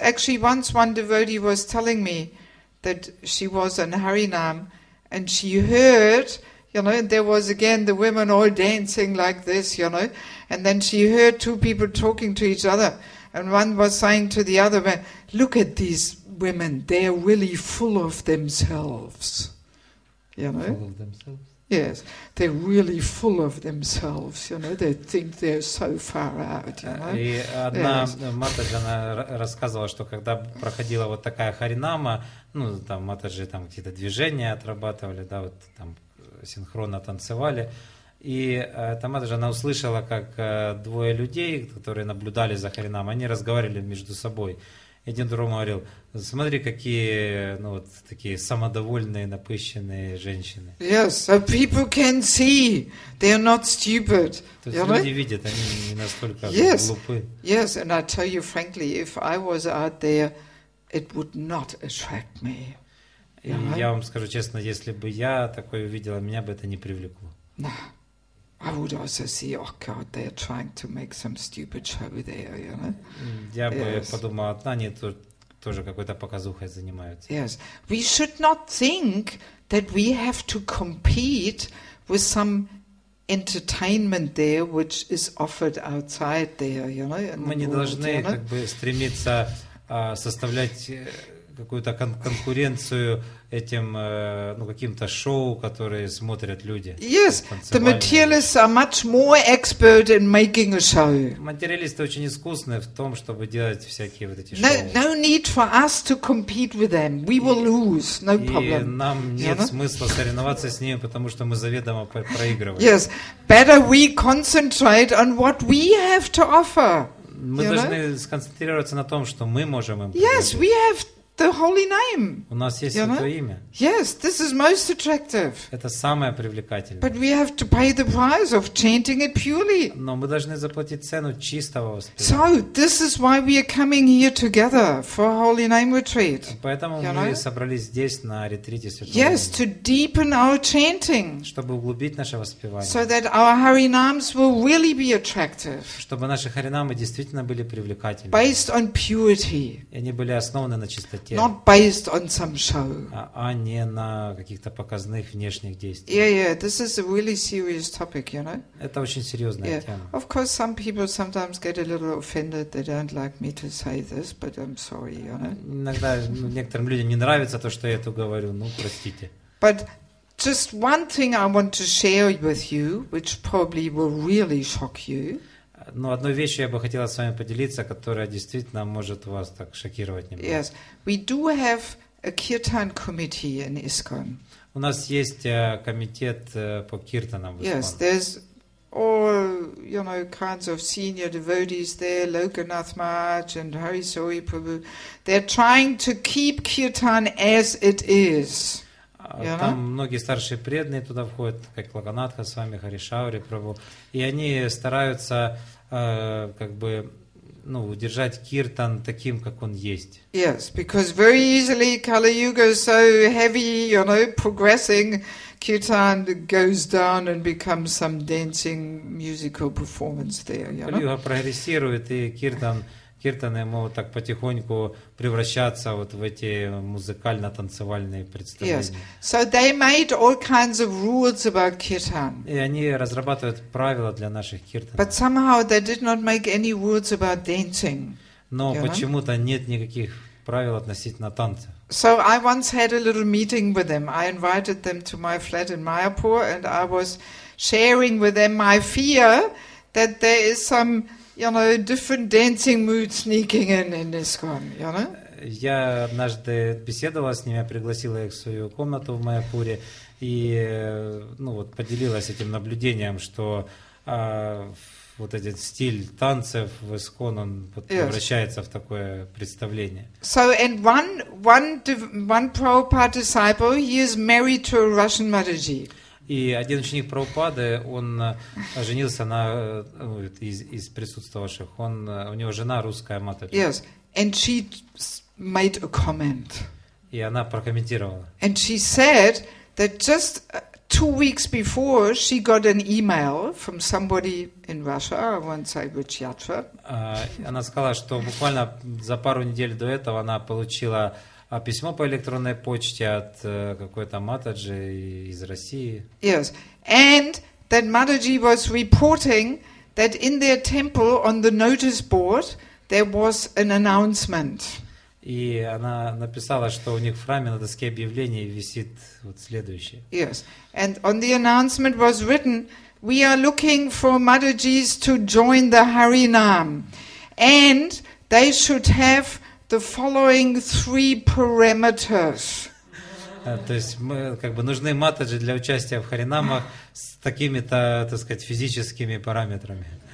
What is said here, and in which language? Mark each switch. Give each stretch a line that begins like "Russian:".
English: Actually, once one devotee was telling me that she was in Harinam and she heard, you know, and there was again the women all dancing like this, you know, and then she heard two people talking to each other, and one was saying to the other, "Look at these women; they are really full of themselves." You know. Full of themselves. Yes, they're really full of themselves, you know. They think they're so far out, you know.
Russian: И одна матаджи, она рассказывала, что когда проходила вот такая харинама, ну, там матаджи там какие-то движения отрабатывали, да, вот там синхронно танцевали, и эта матаджи, она услышала, как двое людей, которые наблюдали за харинамой, они разговаривали между собой. Один другому говорил: смотри, какие, ну, вот такие самодовольные, напыщенные женщины.
English: Yes, so people can see they are not stupid.
Russian: То есть люди видят, они не настолько глупы.
English: Yes, and I tell you frankly, if I was out there, it would not attract me.
Russian: И я вам скажу честно, если бы я такое увидела, меня бы это не привлекло.
English: No. I would also see, oh God, they are trying to make some стюпид show there, you know.
Russian: Я бы подумал, они тут тоже какой-то показухой занимаются.
English: Yes. We should not think that we have to compete with some entertainment there, which is offered outside there, you know.
Russian: Мы не должны как бы стремиться составлять какую-то конкуренцию этим, ну, каким-то шоу, которые смотрят люди.
English: Yes, the materialists are much more expert in making a show.
Russian: Материалисты очень искусны в том, чтобы делать всякие вот эти шоу.
English: No need for us to compete with them. We will lose, no problem.
Russian: И нам нет смысла соревноваться с ними, потому что мы заведомо проигрываем.
English: Yes, better we concentrate on what we have to offer.
Russian: Мы должны сконцентрироваться на том, что мы можем им предложить.
English: Yes, we have the holy name.
Russian: У нас есть святое имя.
English: Yes, this is most attractive.
Russian: Это самое привлекательное.
English: But we have to pay the price of chanting it purely.
Russian: Но мы должны заплатить цену чистого воспевания.
English: So this is why we are coming here together for a holy name retreat.
Russian: Поэтому мы собрались здесь на ретрите святого имени.
English: Yes, to deepen our chanting.
Russian: Чтобы углубить наше воспевание.
English: So that our harinams will really be attractive.
Russian: Чтобы наши харинамы действительно были привлекательными.
English: Based on purity.
Russian: И они были основаны на чистоте.
English: Not based on some show.
Russian: А не на каких-то показных внешних действиях.
English: Yeah, this is a really serious topic, you know.
Russian: Это очень серьезная тема.
English: Of course, some people sometimes get a little offended. They don't like me to say this, but I'm sorry, you know.
Russian: Иногда некоторым людям не нравится то, что я это говорю. Ну, простите.
English: But just one thing I want to share with you, which probably will really shock you.
Russian: Но одну вещь я бы хотела с вами поделиться, которая действительно может вас так шокировать немного.
English: Yes, we do have a kirtan committee in ISKCON.
Russian: У нас есть комитет по киртанам в ISKCON.
English: Yes, there's all, you know, kinds of senior devotees there, Lokanath Maharaj and Harisori Prabhu. They're trying to keep kirtan as it is.
Russian: Там многие старшие преданные туда входят, как Локанатха с вами, Харишаури Прабху, и они стараются как бы, ну, удержать киртан таким, как он есть.
English: Yes, because very easily Kali-Yuga is so heavy, you know, progressing, киртан goes down and becomes some dancing musical performance there, you know.
Russian: Кали-Юга прогрессирует, и киртаны могут так потихоньку превращаться вот в эти музыкально-танцевальные представления.
English: Yes. So they made all kinds of rules about kirtan.
Russian: И они разрабатывают правила для наших киртан.
English: But somehow they did not make any rules about dancing.
Russian: Но почему-то нет никаких правил относительно танцев.
English: So I once had a little meeting with them. I invited them to my flat in Mayapur, and I was sharing with them my fear that there is some, you know, different dancing mood sneaking in this one, you know?
Russian: Я однажды беседовала с ними, я пригласила их в свою комнату в Майяпуре и, ну, вот, поделилась этим наблюдением, что вот этот стиль танцев в Искон, он превращается в такое представление.
English: So, and one Prabhupada disciple, he is married to a Russian Mataji.
Russian: И один ученик Прабхупады, он женился на, ну, из присутствовавших, он, у него жена русская Матаджи.
English: Yes, and she made a comment.
Russian: И она прокомментировала.
English: And she said that just 2 weeks before she got an email from somebody in Russia, I won't say which yatra.
Russian: Она сказала, что буквально за пару недель до этого она получила письмо по электронной почте от какой-то Матаджи из России.
English: Yes, and that Матаджи was reporting that in their temple on the notice board there was an announcement.
Russian: И она написала, что у них в храме на доске объявлений висит вот следующее.
English: Yes, and on the announcement was written, we are looking for Matajis to join the Harinam, and they should have the following three parameters.
Russian: То есть мы как бы нужны Матаджи для участия в Харинамах с такими-то, так сказать, физическими параметрами.